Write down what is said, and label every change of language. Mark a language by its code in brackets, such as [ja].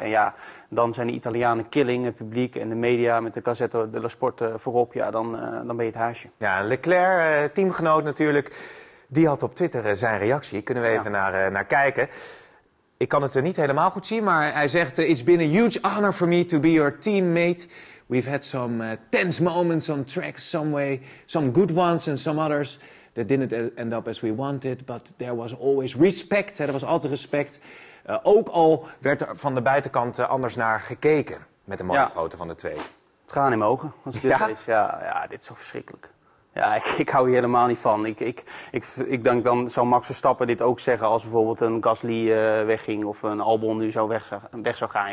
[nl] En ja, dan zijn de Italianen killing, het publiek en de media met de Gazzetta dello Sport voorop. Ja, dan ben je het haasje. Ja, Leclerc, teamgenoot natuurlijk, die had op Twitter zijn reactie. Kunnen we even naar kijken. Ik kan het niet helemaal goed zien, maar hij zegt, [en] it's been a huge honor for me to be your teammate. We've had some tense moments on track, some way, some good ones and some others that didn't end up as we wanted. But there was always respect, [nl] er was altijd respect. Ook al werd er van de buitenkant anders naar gekeken met een mooie foto van de twee. Traan in mijn ogen, als ik dit lees. Ja, dit is toch verschrikkelijk. Ja, ik hou hier helemaal niet van. Ik denk dan zou Max Verstappen dit ook zeggen als bijvoorbeeld een Gasly wegging of een Albon nu weg zou gaan.